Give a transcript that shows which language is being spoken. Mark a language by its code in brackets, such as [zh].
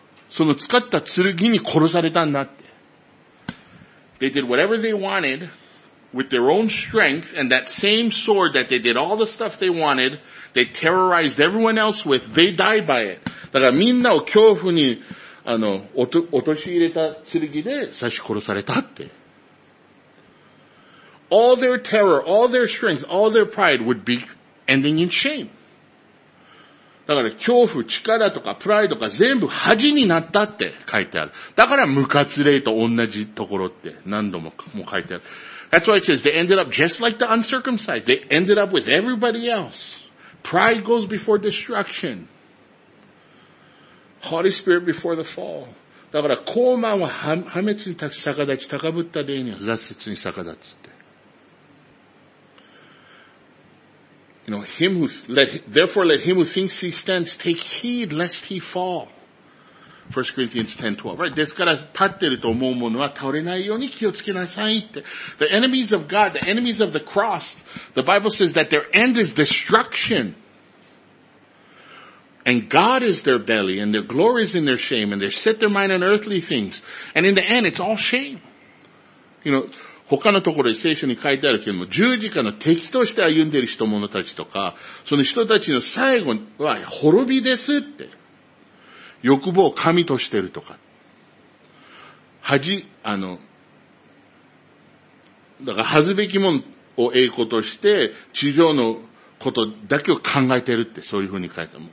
[ja] その使った剣に殺されたんだって。 [en] They did whatever they wanted with their own strength, and that same sword that they did all the stuff they wanted, they terrorized everyone else with, they died by it. [ja] だからみんなを恐怖に、陥れた剣で刺し殺されたって。 [en] All their terror, all their strength, all their pride would be ending in shame. [ja] だから恐怖、力とかプライドが全部恥になったって書いてある。だから無活霊と同じところって何度も書いてある。 [en] That's why it says they ended up just like the uncircumcised. They ended up with everybody else. Pride goes before destruction. Holy Spirit before the fall. [ja] だから高慢は破滅に逆立ち、高ぶった霊には挫折に逆立つって。 [en] You know, him who, therefore let him who thinks he stands take heed lest he fall. 1 Corinthians 10:12. Right? [ja] ですから、立ってると思うものは倒れないように気をつけなさいって。 [en] The enemies of God, the enemies of the cross, the Bible says that their end is destruction. And God is their belly, and their glory is in their shame, and they set their mind on earthly things. And in the end, it's all shame. You know, [ja] 他のところで聖書に書いてあるけども、十字架の敵として歩んでいる人者たちとか、その人たちの最後は滅びですって。欲望を神としてるとか。恥、だから恥ずべきものを栄光として、地上のことだけを考えてるって、そういうふうに書いてある。